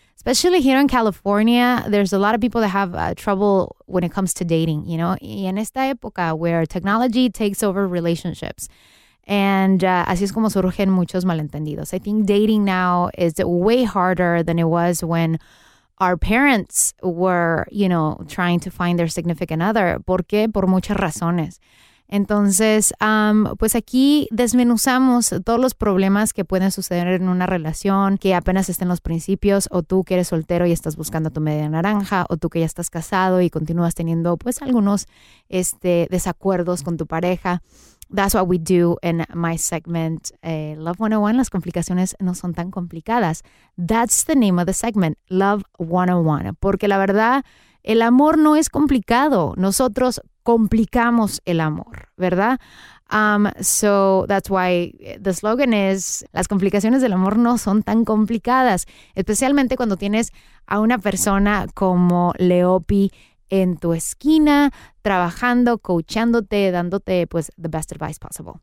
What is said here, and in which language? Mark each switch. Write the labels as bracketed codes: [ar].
[en] Especially here in California, there's a lot of people that have trouble when it comes to dating, you know. [es] Y en esta época [en] where technology takes over relationships. [es] And así es como surgen muchos malentendidos. [en] I think dating now is way harder than it was when our parents were, you know, trying to find their significant other. [es] ¿Por qué? Por muchas razones. Entonces, pues aquí desmenuzamos todos los problemas que pueden suceder en una relación que apenas está en los principios, o tú que eres soltero y estás buscando tu media naranja, o tú que ya estás casado y continúas teniendo pues algunos desacuerdos con tu pareja. [en] That's what we do in my segment, Love 101. [es] Las complicaciones no son tan complicadas. [en] That's the name of the segment, Love 101. [es] Porque la verdad, el amor no es complicado. Nosotros complicamos el amor, ¿verdad? [en] So that's why the slogan is, [es] las complicaciones del amor no son tan complicadas. Especialmente cuando tienes a una persona como Leopi en tu esquina, trabajando, coachándote, dándote pues [en] the best advice possible.